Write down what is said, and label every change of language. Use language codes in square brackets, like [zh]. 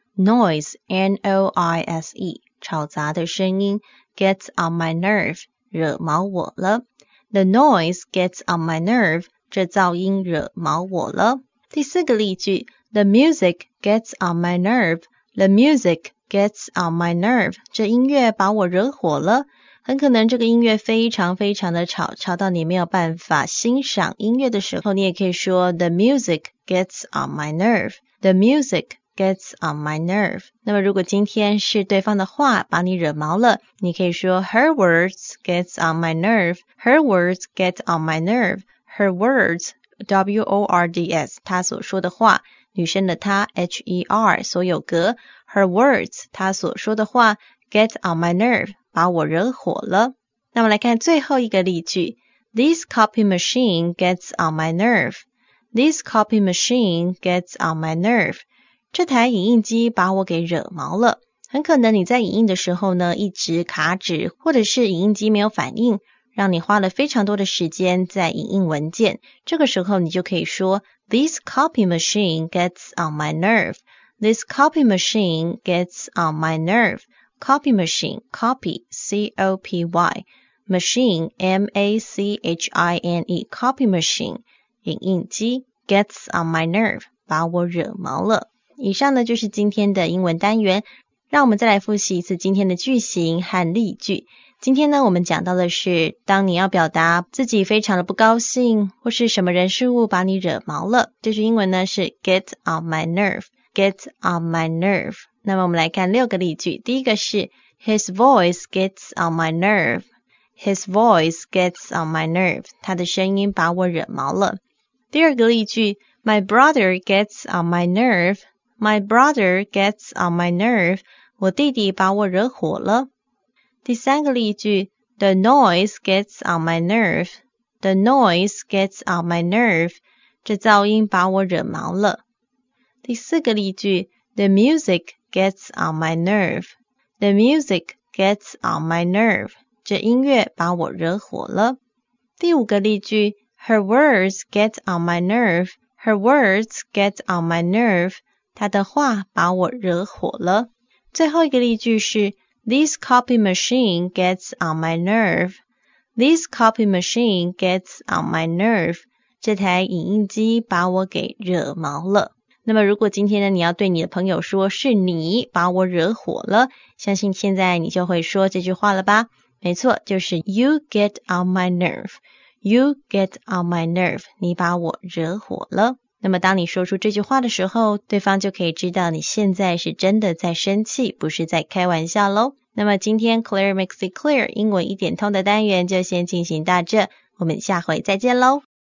[en] Noise, N-O-I-S-E, [zh] 吵杂的声音 [en] gets on my nerve, [zh] 惹毛我了。 [en] The noise gets on my nerve, [zh] 这噪音惹毛我了。第四个例句 [en] The music gets on my nerve. The music gets on my nerve. [zh] 这音乐把我惹火了。很可能这个音乐非常非常的吵，吵到你没有办法欣赏音乐的时候，你也可以说 [en] The music gets on my nerve. The music gets on my nerve. [zh] 那么如果今天是对方的话把你惹毛了，你可以说 [en] Her words gets on my nerve. Her words get on my nerve. Her words, W-O-R-D-S, [zh] 她所说的话，女生的她 [en] H-E-R, [zh] 所有格 [en] Her words, [zh] 她所说的话 [en] get on my nerve. [zh] 把我惹火了。那么来看最后一个例句。 [en] This copy machine gets on my nerve. This copy machine gets on my nerve. [zh] 这台影印机把我给惹毛了。很可能你在影印的时候呢，一直卡纸，或者是影印机没有反应，让你花了非常多的时间在影印文件。这个时候你就可以说 [en] This copy machine gets on my nerve. This copy machine gets on my nerve. Copy machine, copy, C-O-P-Y, machine, M-A-C-H-I-N-E, copy machine, [zh] 影印机 [en] gets on my nerve, [zh] 把我惹毛了。以上呢就是今天的英文单元，让我们再来复习一次今天的句型和例句。今天呢我们讲到的是，当你要表达自己非常的不高兴，或是什么人事物把你惹毛了，这句英文呢是 [en] get on my nerve, get on my nerve。 [zh] 那么我们来看六个例句。第一个是 [en] His voice gets on my nerve. His voice gets on my nerve. [zh] 他的声音把我惹毛了。第二个例句 [en] My brother gets on my nerve. My brother gets on my nerve. [zh] 我弟弟把我惹火了。第三个例句 [en] The noise gets on my nerve. The noise gets on my nerve. [zh] 这噪音把我惹毛了。第四个例句 [en] The music gets on my nerve. The music gets on my nerve. [zh] 这音乐把我惹火了。第五个例句 [en] Her words get on my nerve. Her words get on my nerve. [zh] 她的话把我惹火了。最后一个例句是 [en] This copy machine gets on my nerve. This copy machine gets on my nerve. [zh] 这台影印机把我给惹毛了。那么如果今天呢，你要对你的朋友说是你把我惹火了，相信现在你就会说这句话了吧？没错，就是 [en] You get on my nerve. You get on my nerve. [zh] 你把我惹火了。那么当你说出这句话的时候，对方就可以知道你现在是真的在生气，不是在开玩笑咯。那么今天 Claire Makes It Clear 英文一点通的单元就先进行到这，我们下回再见咯。